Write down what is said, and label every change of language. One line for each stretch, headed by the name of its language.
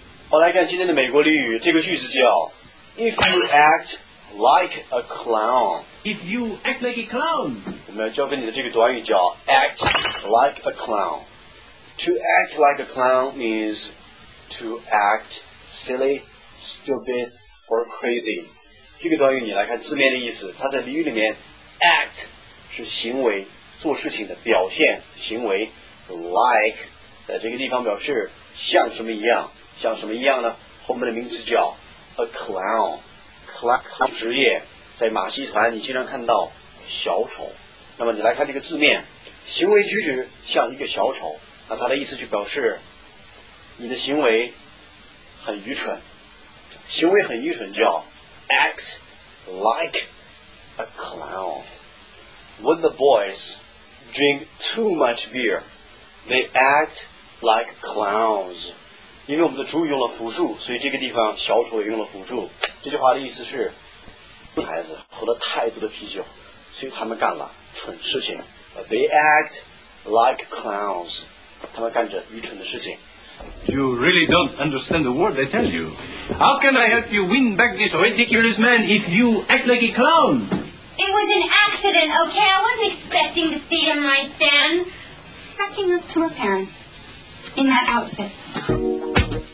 Chinese: 我来看今天的美国俚语，这个句子叫
English: If you act like a clown. If you act like a clown.
Chinese: 我们要教给你的这个短语叫
English: act like a clown. To act like a clown means to act silly, stupid, or crazy.
Chinese: 这个短语你来看字面的意思，它在俚语里面 act 是行为，做事情的表现，行为 like 在这个地方表示像什么一样。像什么一样呢? 后面的名词叫
English: a clown, clown
Chinese: 职业，在马戏团你经常看到小丑。那么你来看这个字面，行为举止像一个小丑，那它的意思就表示你的行为很愚蠢，行为很愚蠢叫
English: act like a clown. When the boys drink too much beer, they act like clowns.
Chinese: 因为我们的主语用了辅助，所以这个地方小丑也用了辅助。这句话的意思是，孩子喝了太多的啤酒，所以他们干了蠢事情。
English: They act like clowns.
Chinese: 他们干着愚蠢的事情。
English: You really don't understand the word I tell you. How can I help you win back this ridiculous man if you act like a clown? It was an accident, okay? I wasn't expecting to see him right then. Sucking up to her parents in that outfit.